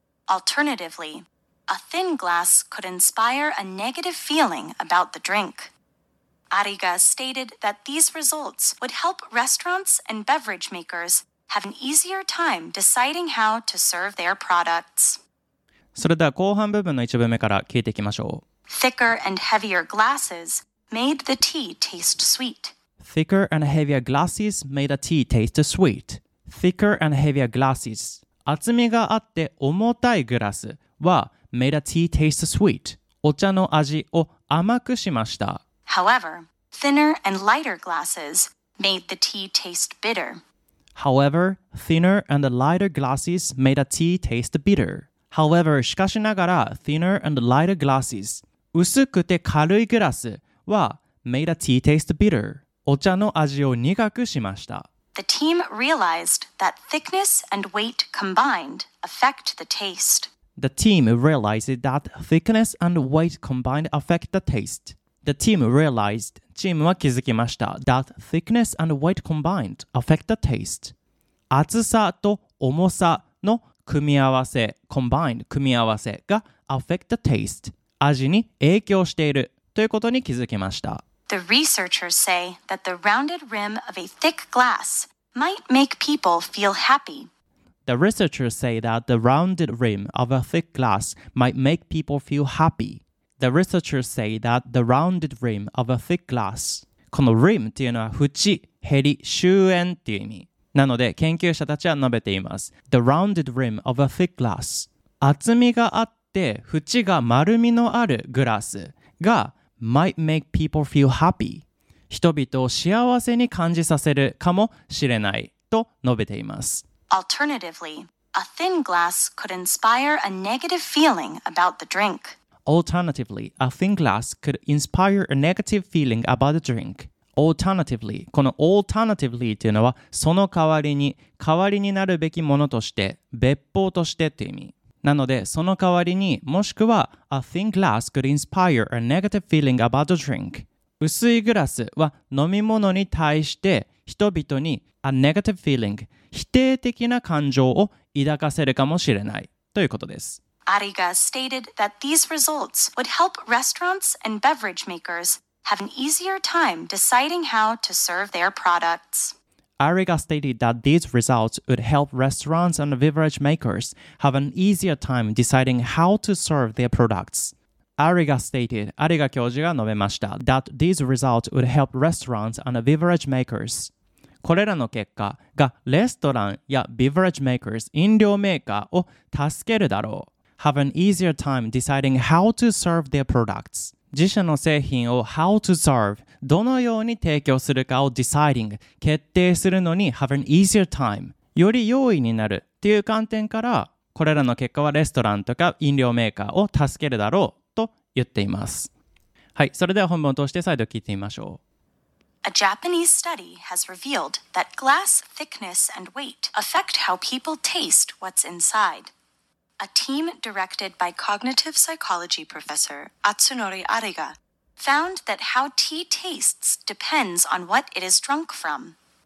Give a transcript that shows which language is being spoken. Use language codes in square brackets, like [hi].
[en] Alternatively, a thin glass could inspire a negative feeling about the drink. Ariga stated that these results would help restaurants and beverage makers have an easier time deciding how to serve their products. [ja] それでは後半部分の一部目から聞いていきましょう。 [en] Thicker and heavier glasses made the tea taste sweet. Thicker and heavier glasses made the tea taste sweet. Thicker and heavier glasses. [ja] 厚みがあって重たいグラスは [en] made a tea taste sweet. [ja] お茶の味を甘くしました。 [en] However, thinner and lighter glasses made the tea taste bitter. However, thinner and lighter glasses made a tea taste bitter. However, [ja] しかしながら [en] thinner and lighter glasses [ja] 薄くて軽いグラスは [en] made a tea taste bitter. [ja] お茶の味を苦くしました。 [en] The team realized that thickness and weight combined affect the taste. The team realized that thickness and weight combined affect the taste. The team realized, [ja] チームは気づきました [en] that thickness and weight combined affect the taste. [ja] 厚さと重さの組み合わせ combined 組み合わせが [en] affect the taste. [ja] 味に影響しているということに気づきました。 [en] The researchers say that the rounded rim of a thick glass might make people feel happy. The researchers say that the rounded rim of a thick glass might make people feel happy. The researchers say that the rounded rim of a thick glass. [ja] この rim っていうのは縁、へり、終焉っていう意味。なので研究者たちは述べています。 [en] The rounded rim of a thick glass. [ja] 厚みがあって縁が丸みのあるグラスが [en] Might make people feel happy. [ja] 人々を幸せに感じさせるかもしれないと述べています。 [en] Alternatively, a thin glass could inspire a negative feeling about the drink. Alternatively, a thin glass could inspire a negative feeling about the drink. [ja] Alternatively, この alternatively というのはその代わりになるべきものとして、別方としてという意味。なので、その代わりに、もしくは、 [en] A thin glass could inspire a negative feeling about the drink. [ja] 薄いグラスは飲み物に対して人々に [en] A negative feeling、 [ja] 否定的な感情を抱かせるかもしれないということです。 [en] Ariga stated that these results would help restaurants and beverage makers have an easier time deciding how to serve their products. Ariga stated that these results would help restaurants and beverage makers have an easier time deciding how to serve their products. Ariga stated, Ariga [ja] 教授が述べました [en] that these results would help restaurants and beverage makers. [ja] これらの結果がレストランや beverage makers 飲料メーカーを助けるだろう。 [en] Have an easier time deciding how to serve their products. [ja] 自社の製品を [en] how to serve [ja] どのように提供するかを deciding 決定するのに [en] have an easier time [ja] より容易になるっていう観点からこれらの結果はレストランとか飲料メーカーを助けるだろうと言っています。はい、それでは本文を通して再度聞いてみましょう。 [en] A Japanese study has revealed that glass thickness and weight affect how people taste what's insideA team directed by cognitive psychology professor Atsunori Ariga found that how tea tastes depends on what it is drunk from.